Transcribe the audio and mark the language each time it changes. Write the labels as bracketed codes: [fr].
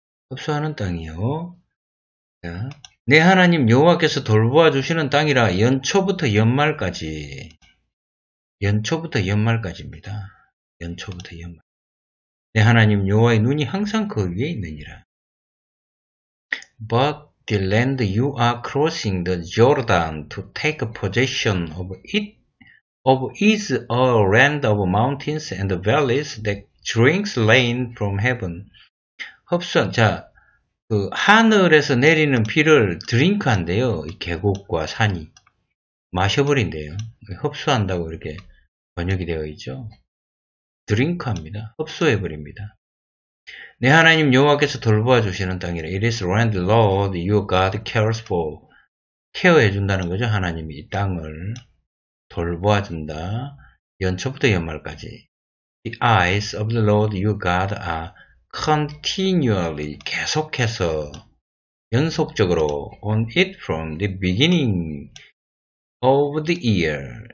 [ko] 흡수하는 땅이요. 자, 내 하나님 여호와께서 돌보아 주시는 땅이라. 연초부터 연말까지. 연초부터 연말까지입니다. 연초부터 연말. 내 하나님 여호와의 눈이 항상 그 위에 있느니라. [en] But the land you are crossing the Jordan to take possession of it of is a land of mountains and valleys that drinks rain from heaven. [ko] 흡수한, 자, 그 하늘에서 내리는 비를 드링크한대요. 이 계곡과 산이 마셔버린대요. 흡수한다고 이렇게 번역이 되어 있죠. 드링크합니다. 흡수해 버립니다. 내 하나님 여호와께서 돌보아 주시는 땅이라. [en] It is land Lord your God cares for. [ko] 케어해 준다는 거죠. 하나님이 이 땅을 돌보아 준다. [en] 연초부터 연말까지. The eyes of the Lord your God are continually [ko] 계속해서 연속적으로 [en] on it from the beginning of the year.